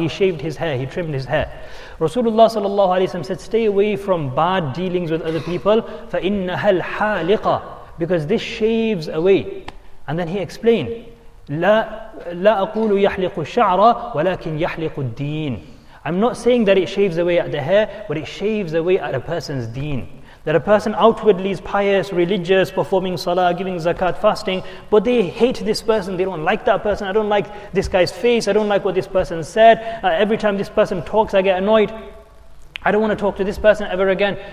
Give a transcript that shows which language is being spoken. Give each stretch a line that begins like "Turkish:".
English: He shaved his hair, he trimmed his hair. Rasulullah sallallahu alayhi wa sallam said, stay away from bad dealings with other people.
Arabic: فَإِنَّهَا الْحَالِقَ.
English: Because this shaves away. And then he explained,
Arabic: لَا أَقُولُ يَحْلِقُ الشَّعْرَ وَلَكِنْ يَحْلِقُ الدِّينَ.
English: I'm not saying that it shaves away at the hair, but it shaves away at a person's deen. That a person outwardly is pious, religious, performing salah, giving zakat, fasting, but they hate this person, they don't like that person, I don't like this guy's face, I don't like what this person said, every time this person talks I get annoyed, I don't want to talk to this person ever again.